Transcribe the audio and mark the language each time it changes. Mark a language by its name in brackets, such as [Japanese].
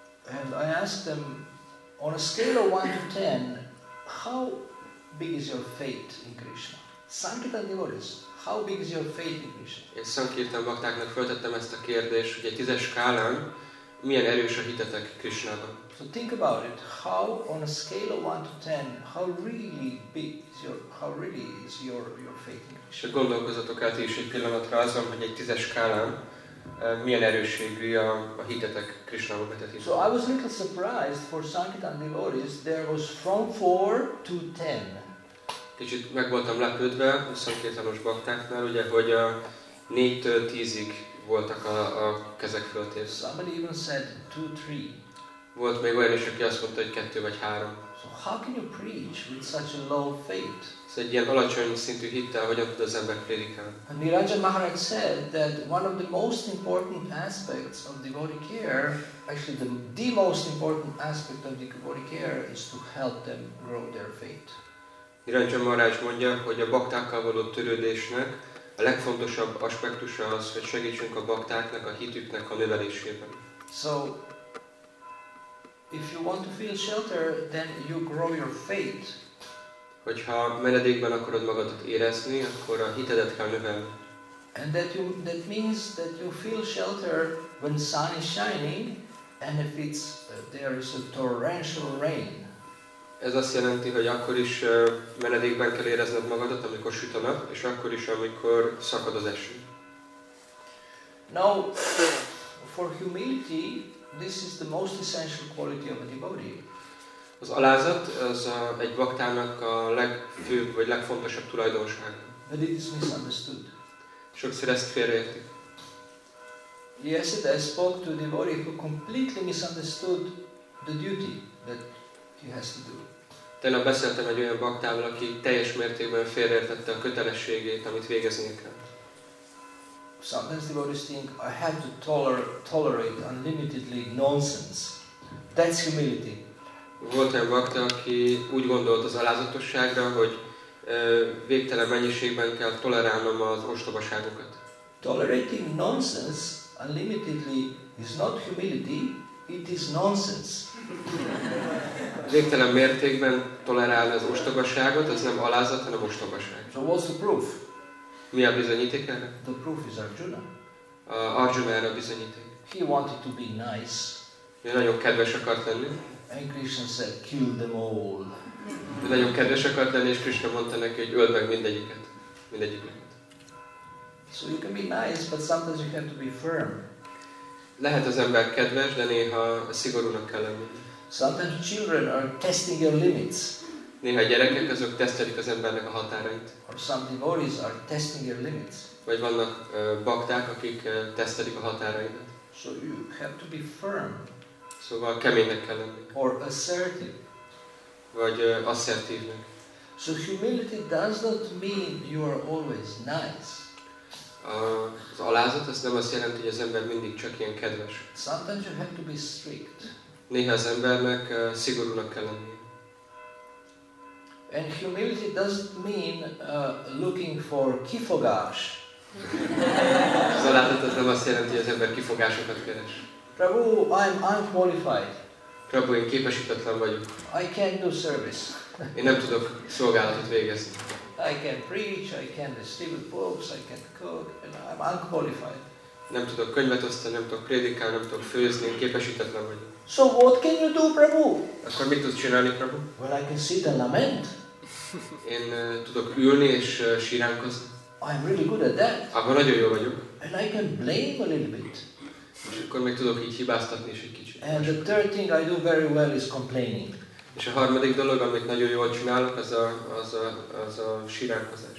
[English] And I asked them, on a scale of 1 to 10, how big is your faith in Krishna? Sankirtan devotees, how big is your faith in Krishna? [Hungarian] Én Sankirtan baktáknak föltettem ezt a kérdést, hogy egy 10-es skálán milyen erős a hitetek Krisnában. [English] So think about it, how on a scale of 1 to 10, how really big is your, how really is your faith in Krishna? [Hungarian] És gondolkozzatok át is egy pillanatra azon, hogy egy tízes skálán milyen erősségű a hitetek Krisnába vetett hitet. [English] So I was a little surprised for Sankirtan devotees, there was from 4 to 10. [Hungarian] Kicsit meg voltam lepődve a szankirtanos baktáknál, ugye, hogy a 4-től 10-ig voltak a kezek föltés. [English] Somebody even said 2-3. [Hungarian] Volt még olyan is, aki azt mondta, hogy 2 vagy 3. [English] So how can you preach with such a low faith? [Hungarian] Ez egy ilyen alacsony szintű hittel, hogyan tud az ember prédikálni? [English] And Niranjan Maharaj said that one of the most important aspects of devotee care, actually the most important aspect of devotee care is to help them grow their faith. [Hungarian] Niranjan Maharaj mondja, hogy a baktákkal való törődésnek a legfontosabb aspektusa az, hogy segítsünk a baktáknak, a hitüknek a növelésében. [English] So, if you want to feel shelter, then you grow your faith. [Hungarian] Hogyha menedékben akarod magadat érezni, akkor a hitedet kell növelni. [English] And that means that you feel shelter when the sun is shining, and if it's there is a torrential rain. [Hungarian] Ez azt jelenti, hogy akkor is menedékben kell érezned magadat, amikor süt a nap, és akkor is, amikor szakad az eső. [English] Now, for humility, this is the most essential quality of a devotee. [Hungarian] Az alázat az egy baktának a legfőbb vagy legfontosabb tulajdonság. [English] But it is misunderstood. [Hungarian] Sokszor ezt félreértik. [English] Yesterday I spoke to a devotee who completely misunderstood the duty that he has to do. [Hungarian] Tényleg beszéltem egy olyan baktával, aki teljes mértékben félreértette a kötelességét, amit végeznie kell. [English] Sometimes devotees think I have to tolerate unlimitedly nonsense. That's humility. [Hungarian] Volt egy bakta, aki úgy gondolt az alázatosságra, hogy végtelen mennyiségben kell tolerálnom az ostobaságokat. [English] Tolerating nonsense unlimitedly is not humility, it is nonsense. [Hungarian] Végtelen mértékben tolerálni az ostobaságot, az nem alázat, hanem ostobaság. [English] So what's the proof? [Hungarian] Mi a bizonyíték erre? [English] The proof is Arjuna. [Hungarian] Arjuna erre a bizonyíték. [English] He wanted to be nice. [Hungarian] Ő nagyon kedves akart lenni. [English] And Krishna said, kill them all. [Hungarian] Ő nagyon kedves akart lenni, és Krishna mondta neki, hogy öld meg mindegyiket. Mindegyiket. [English] So you can be nice, but sometimes you have to be firm. [Hungarian] Lehet az ember kedves, de néha szigorúnak kell lenni. [English] Sometimes children are testing your limits. [Hungarian] Néha gyerekek azok tesztelik az embernek a határait. [English] Or some devotees are testing your limits. [Hungarian] Vagy vannak bakták, akik tesztelik a határaidat. [English] So you have to be firm. [Hungarian] Szóval keménynek kell lenni. [English] Or assertive. [Hungarian] Vagy asszertívnek. [English] So humility does not mean you are always nice. [Hungarian] Az alázat az nem azt jelenti, hogy az ember mindig csak ilyen kedves. [English] Sometimes you have to be strict. [Hungarian] Néha az embernek szigorúnak kell lennie. [English] And humility doesn't mean looking for kifogás. [Hungarian] Az alázat az nem azt jelenti, hogy az ember kifogásokat keres. [English] Prabhu, I'm unqualified. [Hungarian] Prabhu, én képesítetlen vagyok. [English] I can't do service. [Hungarian] Én nem tudok szolgálatot végezni. [English] I can preach, I can distribute books, I can cook, and I'm unqualified. [Hungarian] Nem tudok könyvet osztani, nem tudok prédikálni, nem tudok főzni, képesítetlen vagyok. [English] So what can you do, Prabhu? [Hungarian] Akkor mit tudsz csinálni, Prabhu? [English] Well, I can sit and lament. [Hungarian] Én tudok ülni és síránkozni. [English] I'm really good at that. [Hungarian] Akkor nagyon jó vagyok. [English] And I can blame a little bit. [Hungarian] És akkor még tudok így hibáztatni is egy kicsit. [English] And the third thing I do very well is complaining. [Hungarian] És a harmadik dolog, amit nagyon jól csinálok, az a síránkozás.